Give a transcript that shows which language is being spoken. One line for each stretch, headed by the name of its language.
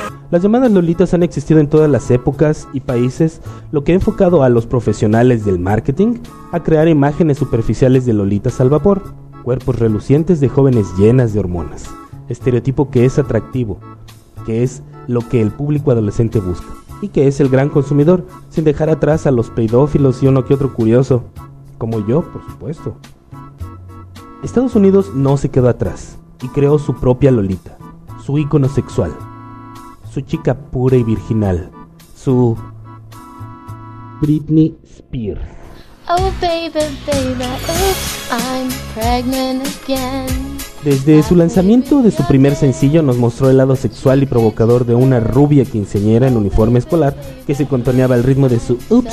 Spanish: Las llamadas lolitas han existido en todas las épocas y países, lo que ha enfocado a los profesionales del marketing a crear imágenes superficiales de lolitas al vapor, cuerpos relucientes de jóvenes llenas de hormonas, estereotipo que es atractivo, que es lo que el público adolescente busca y que es el gran consumidor, sin dejar atrás a los pedófilos y uno que otro curioso, como yo, por supuesto. Estados Unidos no se quedó atrás y creó su propia lolita, su ícono sexual, su chica pura y virginal, su Britney Spears.
English: Oh, baby, baby, oops, I'm pregnant again.
Spanish: Desde su lanzamiento de su primer sencillo nos mostró el lado sexual y provocador de una rubia quinceañera en uniforme escolar que se contoneaba al ritmo de su oops.